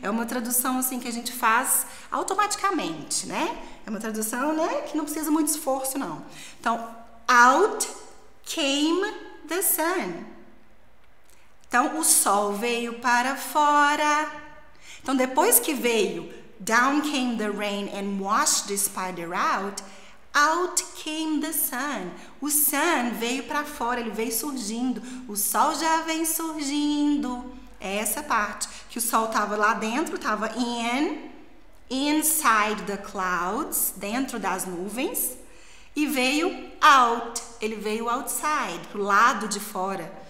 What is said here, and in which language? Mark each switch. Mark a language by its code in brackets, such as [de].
[pt] É uma tradução assim que a gente faz automaticamente, né? É uma tradução, né, que não precisa muito esforço, não. Então, [en] out came the sun. [pt] Então, o sol veio para fora. Então, depois que veio... [en] Down came the rain and washed the spider out. Out came the sun. [pt] O sun veio para fora, ele veio surgindo. O sol já vem surgindo. É essa parte. Que o sol tava lá dentro, tava in, [en] inside the clouds, [pt] dentro das nuvens. E veio out, ele veio outside, pro lado de fora.